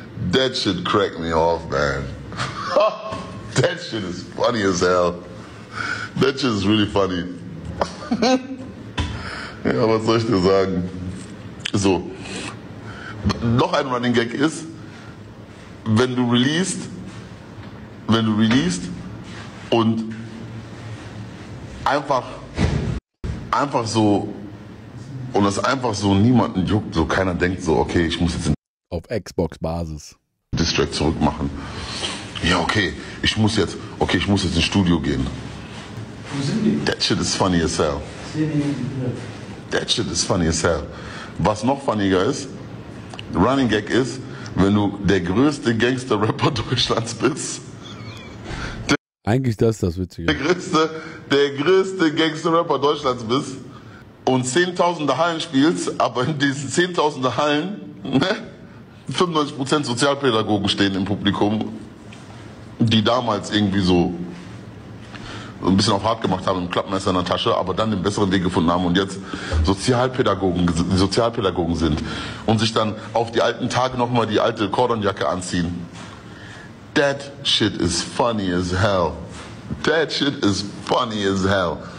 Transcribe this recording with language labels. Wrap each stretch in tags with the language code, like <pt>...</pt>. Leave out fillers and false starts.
<en>That shit crack me off, man. That shit is funny as hell. That shit is really funny.</en> <de>Ja, was soll ich dir sagen? So. Noch ein Running Gag ist, wenn du released und einfach so, und es einfach so niemanden juckt, so keiner denkt so, okay, ich muss jetzt auf Xbox-Basis Distrack zurückmachen. Ja, okay, ich muss jetzt ins Studio gehen.</de> <en>That shit is funny as hell. That shit is funny as hell.</en> <de>Was noch funniger ist, Running Gag ist, wenn du der größte Gangster-Rapper Deutschlands bist. Eigentlich das Witzige. Der größte Gangster-Rapper Deutschlands bist und 10.000 Hallen spielst, aber in diesen 10.000 Hallen, ne, 95% Sozialpädagogen stehen im Publikum, die damals irgendwie so ein bisschen auf hart gemacht haben, ein Klappmesser in der Tasche, aber dann den besseren Weg gefunden haben und jetzt Sozialpädagogen sind und sich dann auf die alten Tage nochmal die alte Kordonjacke anziehen.</de> <en>That shit is funny as hell. That shit is funny as hell.</en>